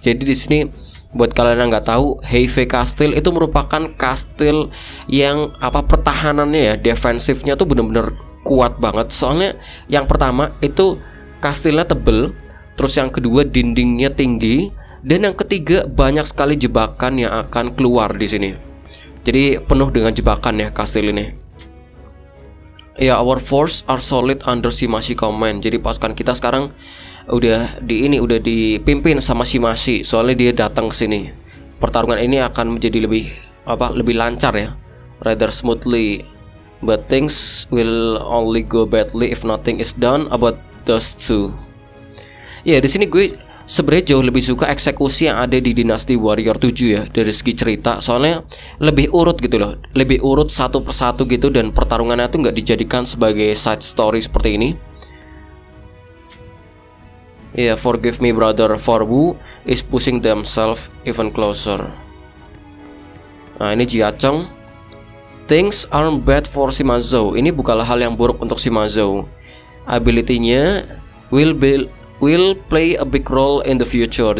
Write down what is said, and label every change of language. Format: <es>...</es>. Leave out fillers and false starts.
<id>Jadi di sini buat kalian yang nggak tahu, Heifei Castle itu merupakan kastil yang apa pertahanannya ya, defensifnya tuh benar-benar kuat banget. Soalnya yang pertama itu kastilnya tebel, terus yang kedua dindingnya tinggi. Dan yang ketiga banyak sekali jebakan yang akan keluar di sini. Jadi penuh dengan jebakan ya kastil ini.</id> <en>Ya yeah, our force are solid under Shimashi command.</en> <id>Jadi pasukan kita sekarang udah dipimpin sama Shimashi. Soalnya dia datang ke sini. Pertarungan ini akan menjadi lebih lancar ya.</id> <en>Rather smoothly. But things will only go badly if nothing is done about those two.</en> <id>Ya yeah, di sini gue sebenarnya jauh lebih suka eksekusi yang ada di Dinasti Warrior 7 ya dari segi cerita, soalnya lebih urut gitu loh, lebih urut satu persatu gitu dan pertarungannya tuh nggak dijadikan sebagai side story seperti ini.</id> <en>Yeah, forgive me brother, for Wu is pushing themselves even closer.</en> <id>Nah ini Jia Chong.</id> <en>Things aren't bad for Shimazou.</en> <id>Ini bukanlah hal yang buruk untuk Shimazou.</id> <en>Ability-nya will play a big role in the future.</en>